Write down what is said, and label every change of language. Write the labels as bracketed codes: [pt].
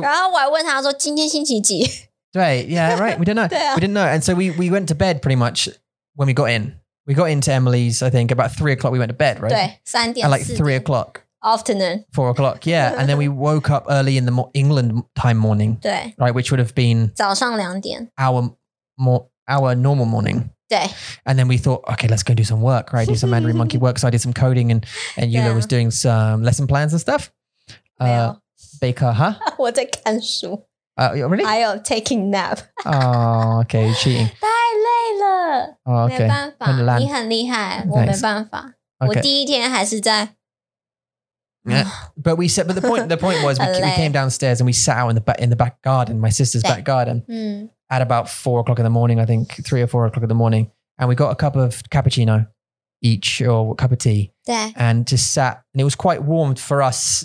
[zh] 然后我还问他说今天星期几? [en] 对, yeah, right, we didn't know. [zh] 对啊. [en] We didn't know. And so we went to bed pretty much when we got in. We got into Emily's, I think, about 3 o'clock we went to bed, right? [zh] 对,三点四点. [en] At like 3 o'clock. Afternoon. 4 o'clock, yeah. And then we woke up early in the England time morning. [zh] 对. [en] Right, which would have been [zh] 早上两点. [en] Our normal morning. [zh] 对. [en] And then we thought, okay, let's go do some work, right? Do some Mandarin Monkey work. So I did some coding and Yula was doing some lesson plans and stuff. [zh] 没有. [en] Baker, huh? [zh] 我在看书. [en] Really? I am taking nap. Oh, okay, cheating. [zh] 太累了。 [en] Oh, okay. [zh] 没办法，你很厉害，我没办法。我第一天还是在。 [en] Yeah, but we said. But the point was, we came downstairs and we sat out in the back garden, my sister's back garden, at about 4 o'clock in the morning, I think 3 or 4 o'clock in the morning, and we got a cup of cappuccino each or a cup of tea, and just sat, and it was quite warm for us.